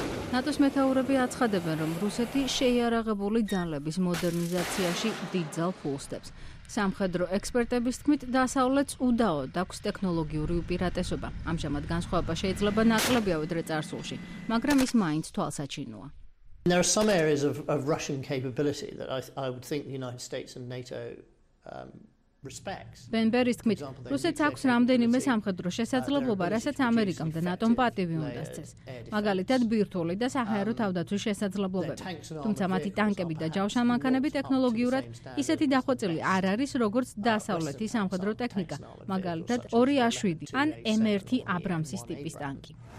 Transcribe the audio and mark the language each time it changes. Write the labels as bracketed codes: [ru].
[ka] ნატოს მეთაურები აცხადებენ, რომ რუსეთი შეიარაღებული ძალების მოდერნიზაციაში დიდ ძალ ფულსდებს. სამხედრო ექსპერტების თქმით, დასავლეთს უდაოდ აქვს ტექნოლოგიური უპირატესობა. ამჟამად განსხვავება შეიძლება ნაკლებია, ვიდრე წარსულში, მაგრამ ის მაინც თვალსაჩინოა. [en] There are some areas of Russian capability that I would think the United States and NATO respects. [ka] ბენბერის თქმით, რუსეთს აქვს რამდენიმე სამხედრო შესაძლებლობა, რასაც ამერიკამ და ნატომ პატივი უნდა სცეს. მაგალითად, ბირთვული და საჰაერო თავდაცვის შესაძლებლობები. თუმცა მათი ტანკები და ჯავშანმანქანები ტექნოლოგიურად ისეთი დახვეწილი არ არის, როგორც დასავლეთის სამხედრო ტექნიკა, მაგალითად 2A7 ან M1 აბრამსის ტიპის ტანკი.